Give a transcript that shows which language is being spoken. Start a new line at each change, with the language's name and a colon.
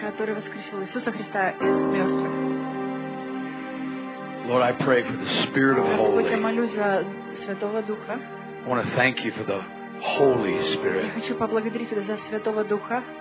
Russian: Который воскресил Иисуса Христа из мертвых.
English: Lord, I pray for the spirit of holy.
Russian: Господь, я молюсь за святого духа.
English: I want to thank you for the Holy Spirit.
Russian: Я хочу поблагодарить тебя за святого духа.